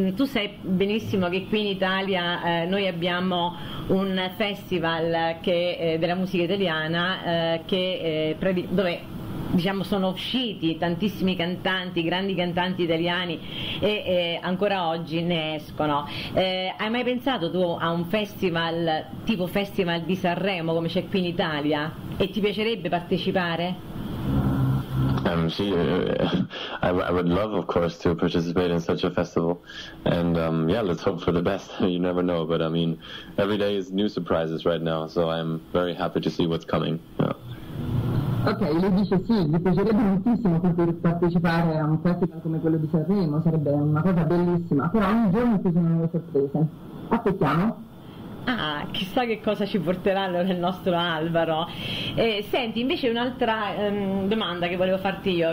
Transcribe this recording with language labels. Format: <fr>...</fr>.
<it>Tu sai benissimo che qui in Italia noi abbiamo un festival della musica italiana dove diciamo sono usciti tantissimi cantanti, grandi cantanti italiani e ancora oggi ne escono. Hai mai pensato tu a un festival tipo Festival di Sanremo come c'è qui in Italia? E ti piacerebbe partecipare?</it> <en>I would love, of course, to participate in such a festival, and let's hope for the best. You never know, but I mean, every day is new surprises right now, so I'm very happy to see what's coming. Yeah.</en> <it>Okay, lui dice sì, gli piacerebbe moltissimo poter partecipare a un festival come quello di Sanremo, sarebbe una cosa bellissima, però ogni giorno ci sono nuove sorprese. Aspettiamo. Ah, chissà che cosa ci porterà allora il nostro Alvaro. Senti, invece un'altra domanda che volevo farti io.</it>